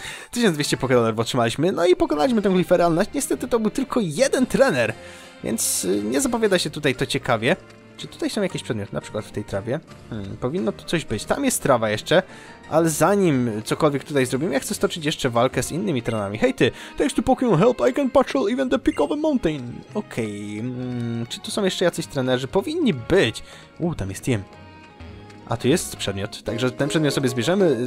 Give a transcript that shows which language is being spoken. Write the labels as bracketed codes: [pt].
[pl] 1200 Pokédollarów otrzymaliśmy, no i pokonaliśmy tę Clefairy, ale niestety to był tylko jeden trener. Więc nie zapowiada się tutaj to ciekawie. Czy tutaj są jakieś przedmioty, na przykład w tej trawie? Powinno tu coś być. Tam jest trawa jeszcze, ale zanim cokolwiek tutaj zrobimy, ja chcę stoczyć jeszcze walkę z innymi trenami. Hej ty, [en] thanks to Pokémon help, I can patrol even the peak of a mountain. [pl] Okej, czy tu są jeszcze jacyś trenerzy? Powinni być. Tam jest team. A tu jest przedmiot, także ten przedmiot sobie zbierzemy.